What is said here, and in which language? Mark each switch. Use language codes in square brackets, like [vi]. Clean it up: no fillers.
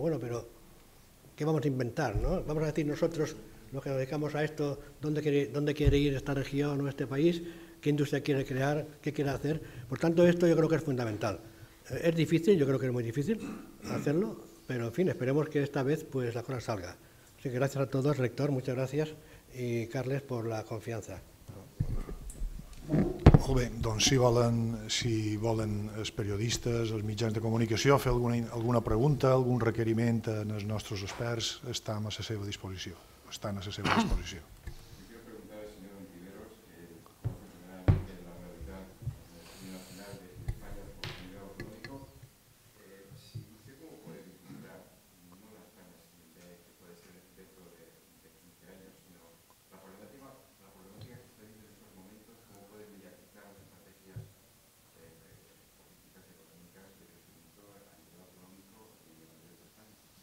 [es] Bueno, pero ¿qué vamos a inventar, no? Vamos a decir nosotros, los que nos dedicamos a esto, ¿dónde quiere ir esta región o este país, qué industria quiere crear, qué quiere hacer. Por tanto, esto yo creo que es fundamental. Es difícil, yo creo que es muy difícil hacerlo, pero en fin, esperemos que esta vez pues la cosa salga. Así que gracias a todos, rector, muchas gracias, y Carles, por la confianza. [ca] Molt bé, doncs si volen els periodistes, els mitjans de comunicació, fer alguna pregunta, algun requeriment en els nostres experts, estem a la seva disposició. [es] Están a esa disposición. Quiero preguntar al señor Antiveros cómo funciona la realidad de la Universidad Nacional de España por el nivel autonómico. Si usted, como puede vislumbrar, no las ganas que puede ser dentro de 15 años, sino la problemática que está viviendo en estos momentos, cómo puede mediatizar las estrategias políticas, económicas, de crecimiento a nivel autonómico y a nivel de España.